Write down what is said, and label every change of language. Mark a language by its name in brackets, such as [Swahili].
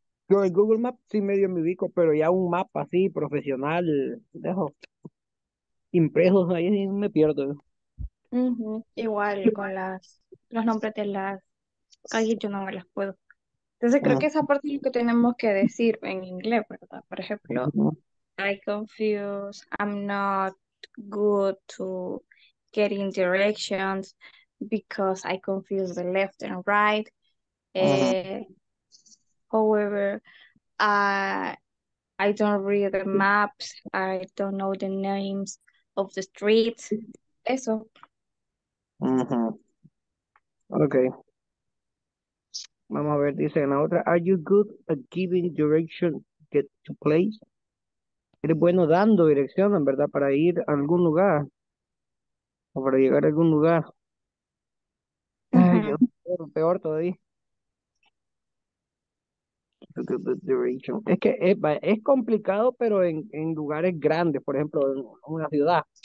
[Spanish] Maps sí medio me ubico, pero ya un mapa así profesional, dejo. impresos, ahí me pierdo. Igual con los nombres de las calles, yo no me las puedo. Entonces creo que esa parte es lo que tenemos que decir en inglés, ¿verdad? Por ejemplo, [English] I confuse, I'm not good to getting directions because I confuse the left and right. However, I don't read the maps, I don't know the names of the streets. [Spanish] Eso. Okay. Vamos a ver, dice en la otra. [English] Are you good at giving direction get to place? [Spanish] Eres bueno dando dirección, en verdad, para ir a algún lugar. O para llegar a algún lugar. Ay, yo peor todavía. Es que es complicado, pero en lugares grandes, por ejemplo, en una ciudad.